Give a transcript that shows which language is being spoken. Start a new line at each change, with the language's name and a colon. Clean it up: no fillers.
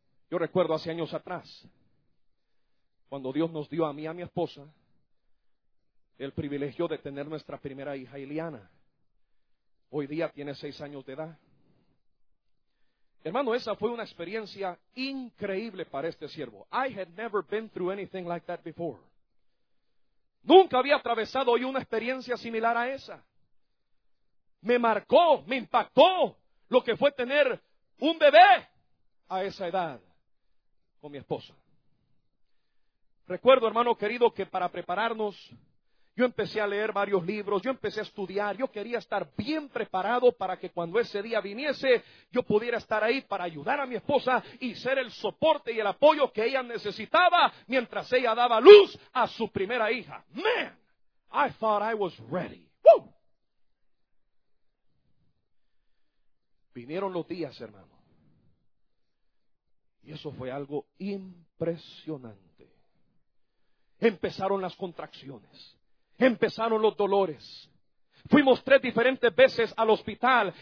Spanish: Yo recuerdo hace años atrás, cuando Dios nos dio a mí y a mi esposa el privilegio de tener nuestra primera hija, Ileana. Hoy día tiene 6 años de edad. Hermano, esa fue una experiencia increíble para este siervo.
English: I had never been through anything like that before.
Spanish: Nunca había atravesado yo una experiencia similar a esa. Me marcó, me impactó lo que fue tener un bebé a esa edad con mi esposa. Recuerdo, hermano querido, que para prepararnos, yo empecé a leer varios libros, yo empecé a estudiar, yo quería estar bien preparado para que cuando ese día viniese, yo pudiera estar ahí para ayudar a mi esposa y ser el soporte y el apoyo que ella necesitaba mientras ella daba luz a su primera hija.
English: Man, I thought I was ready. Woo!
Spanish: Vinieron los días, hermano. Y eso fue algo impresionante. Empezaron las contracciones. Empezaron los dolores. Fuimos 3 diferentes veces al hospital.